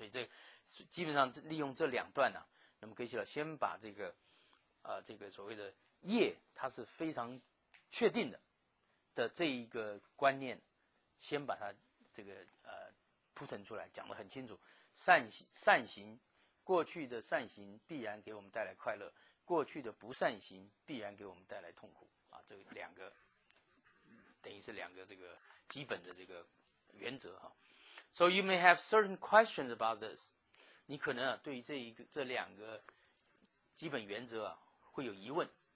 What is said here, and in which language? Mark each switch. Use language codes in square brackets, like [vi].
[zh] 所以这基本上利用这两段呢、啊，那么可以先把这个这个所谓的业它是非常确定的这一个观念，先把它这个铺陈出来，讲得很清楚。善行过去的善行必然给我们带来快乐，过去的不善行必然给我们带来痛苦啊，这两个等于是两个这个基本的这个原则哈。 [en] So you may have certain questions about this. [zh] 你可能啊对于这两个基本原则啊会有疑问。